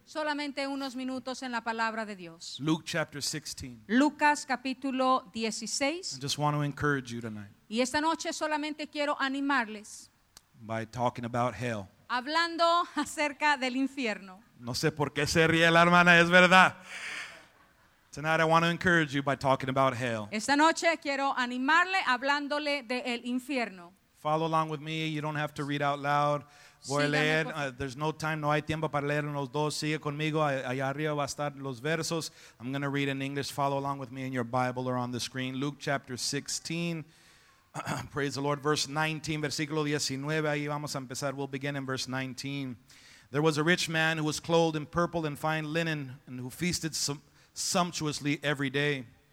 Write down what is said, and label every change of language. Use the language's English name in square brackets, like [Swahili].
[Spanish] Solamente unos minutos en la palabra de Dios. [English] Luke chapter 16. [Spanish] Lucas capítulo 16. [English] I just want to encourage you tonight. [Spanish] Y esta noche solamente quiero animarles. [English] By talking about hell. [Spanish] Hablando acerca del infierno. No sé por qué se ríe la hermana, es verdad. [English] Tonight I want to encourage you by talking about hell. [Spanish] Esta noche quiero animarle hablándole del infierno. [English] Follow along with me, you don't have to read out loud. [Spanish] Voy a leer, [English] there's no time, [Spanish] no hay tiempo para leer en los dos. Sigue conmigo, allá arriba va a estar los versos. [English] I'm going to read in English, follow along with me in your Bible or on the screen. Luke chapter 16. Praise the Lord. Verse 19, [Spanish] versículo 19. Ahí vamos a empezar. [English] We'll begin in verse 19. There was a rich man who was clothed in purple and fine linen and who feasted sumptuously every day.